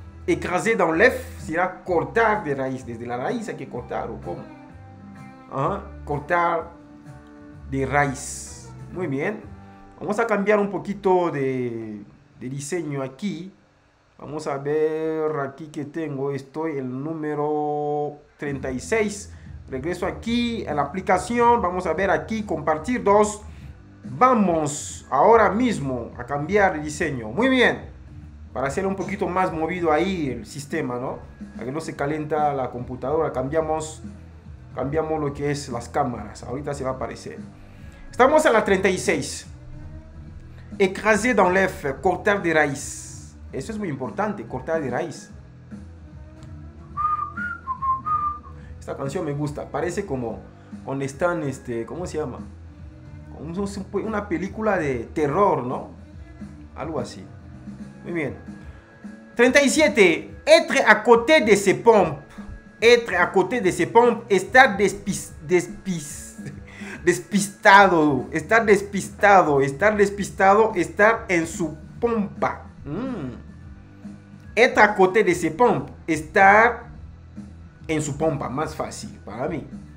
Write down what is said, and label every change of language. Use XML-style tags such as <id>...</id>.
<fr>Écraser dans l'œuf,</fr> <es>será cortar de raíz. Desde la raíz hay que cortar, ¿o cómo? Cortar de raíz. Muy bien. Vamos a cambiar un poquito de diseño aquí. Vamos a ver aquí que tengo. Estoy el número 36. Regreso aquí a la aplicación. Vamos a ver aquí. Compartir 2. Vamos ahora mismo a cambiar el diseño. Muy bien. Para hacer un poquito más movido ahí el sistema, ¿no? Para que no se calienta la computadora. Cambiamos lo que es las cámaras. Ahorita se va a aparecer. Estamos a la 36.</es> <fr>Écraser dans l'œuf,</fr> <es>cortar de raíz. Eso es muy importante, cortar de raíz. Esta canción me gusta. Parece como cuando están, ¿cómo se llama? Una película de terror, ¿no? Algo así. Muy bien. 37.</es> <fr>Être à côté de ses pompes. Être à côté de ses pompes.</fr> <es>Estar despistado, estar en su pompa.</es> <fr>Être à côté de ses pompes,</fr> <es>estar en su pompa, más fácil para mí.</es>